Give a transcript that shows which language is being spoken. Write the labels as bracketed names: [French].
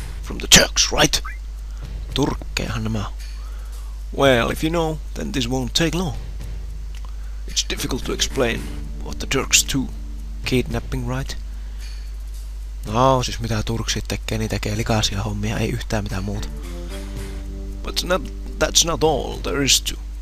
[English] From the Turks, right? [Finnish] Turkkejahan nämä. [English] Well, if you know, then this won't take long. It's difficult to explain, but the Turks too. Kidnapping, right? [Finnish] No, siis mitä Turksit tekee, niin tekee likaisia hommia, ei yhtään mitään muuta. [English] But not, that's not all there is to.